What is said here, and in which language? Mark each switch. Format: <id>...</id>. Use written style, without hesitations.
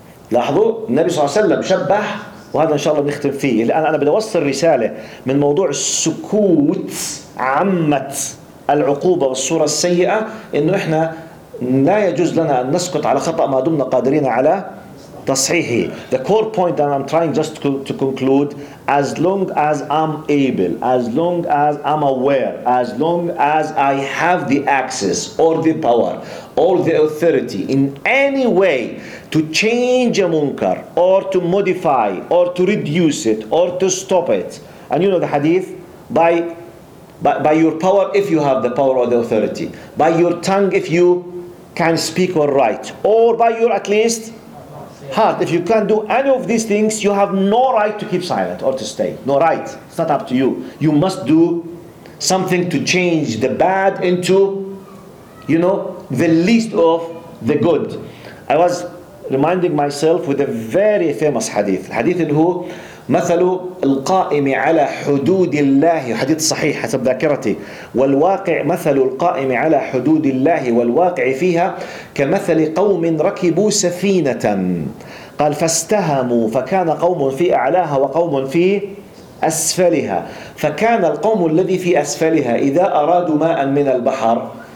<ar>لاحظوا النبي صلى الله عليه وسلم شبه، وهذا إن شاء الله بنختم فيه، لأن أنا بدي أوصل رسالة من موضوع السكوت عامة العقوبة والصورة السيئة، إنه إحنا لا يجوز لنا أن نسكت على خطأ ما دمنا قادرين على تصحيحي.</ar> <en>The core point that I'm trying just to conclude, as long as I'm able, as long as I'm aware, as long as I have the access or the power or the authority in any way to change a munkar or to modify or to reduce it or to stop it. And you know the hadith, by your power if you have the power or the authority, by your tongue if you can speak or write, or by your at least heart, if you can't do any of these things, you have no right to keep silent or to stay. No right. It's not up to you. You must do something to change the bad into, the least of the good. I was reminding myself with a very famous hadith.</en> <ar>Hadith اللي هو مثل القائم على حدود الله، حديث صحيح حسب ذاكرتي، والواقع مثل القائم على حدود الله والواقع فيها كمثل قوم ركبوا سفينة قال فاستهموا فكان قوم في أعلاها وقوم في أسفلها، فكان القوم الذي في أسفلها إذا أرادوا ماء من البحر</ar>